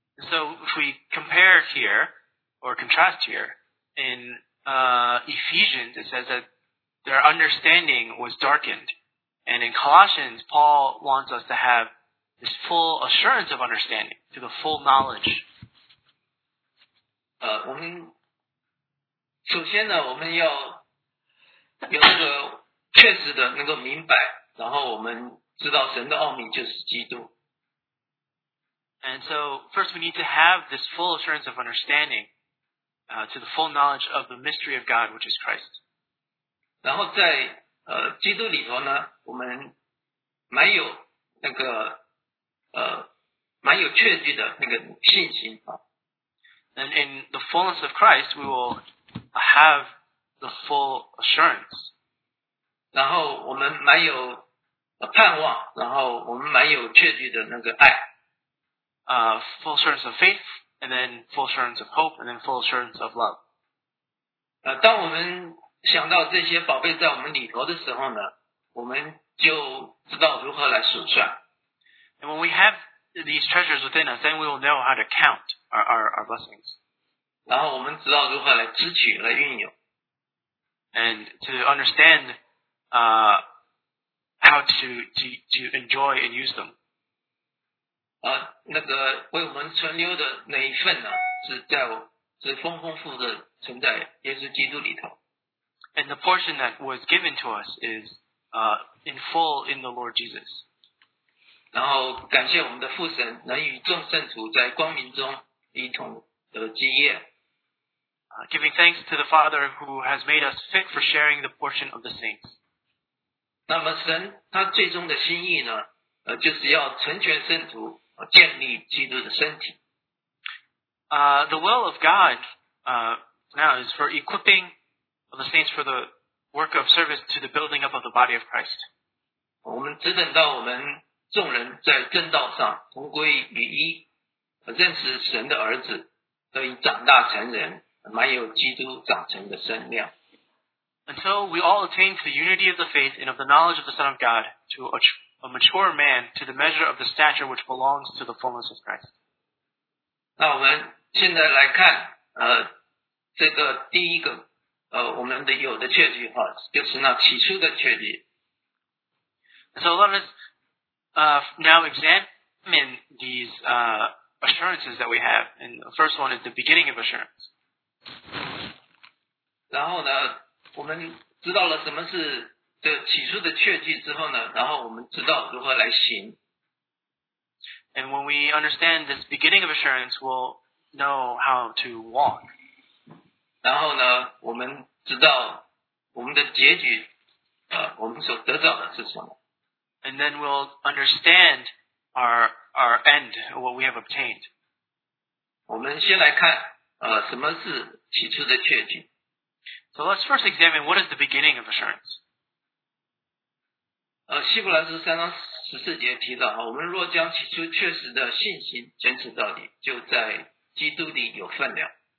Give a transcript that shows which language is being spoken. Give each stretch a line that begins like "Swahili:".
English: So if we compare here or contrast here in Ephesians, it says that their understanding was darkened, and in Colossians, Paul wants us to have this full assurance of understanding to the full knowledge.
Chinese: 我们首先呢，我们要有这个确实的能够明白，然后我们知道神的奥秘就是基督。
English: And so, first we need to have this full assurance of understanding, to the full knowledge of the mystery of God, which is Christ.
Chinese: 然后在基督里头呢，我们蛮有那个蛮有确据的那个信心啊。
English: And in the fullness of Christ, we will have the full assurance.
Chinese: 然后我们蛮有盼望，然后我们蛮有确据的那个爱。
English: Full assurance of faith, and then full assurance of hope, and then full assurance of love.
Chinese: 当我们想到这些宝贝在我们里头的时候呢，我们就知道如何来数算。
English: And when we have these treasures within us, then we will know how to count our blessings.
Chinese: 然后我们知道如何来支取，来运用。
English: And to understand, how to enjoy and use them.
Chinese: 那个为我们存留的那一份呢，是丰丰富的存在耶稣基督里头。
English: And the portion that was given to us is, in full in the Lord Jesus.
Chinese: 然后感谢我们的父神能与众圣徒在光明中一同得基业。
English: Giving thanks to the Father who has made us fit for sharing the portion of the saints.
Chinese: 那么神他最终的心意呢，就是要成全圣徒，建立基督的身体。
English: The will of God, now is for equipping the saints for the work of service to the building up of the body of Christ.
Chinese: 我们只等到我们众人在正道上同归于一，认识神的儿子，得以长大成人，满有基督长成的身量。
English: Until we all attain to the unity of the faith and of the knowledge of the Son of God, to a mature man, to the measure of the stature which belongs to the fullness of Christ.
Chinese: 那我们现在来看，这个第一个，我们的有的确据哈，就是那起初的确据。
English: So let us, now examine these, assurances that we have. And the first one is the beginning of assurance.
Chinese: 然后呢，我们知道了什么是这起初的确据之后呢，然后我们知道如何来行。
English: And when we understand this beginning of assurance, we'll know how to walk.
Chinese: 然后呢，我们知道我们的结局，我们所得到的是什么。
English: And then we'll understand our end, what we have obtained.
Chinese: 我们先来看，什么是起初的确据。
English: So let's first examine what is the beginning of assurance.
Chinese: 希伯来书三章十四节提到，我们若将起初确实的信心坚持到底，就在基督里有分了。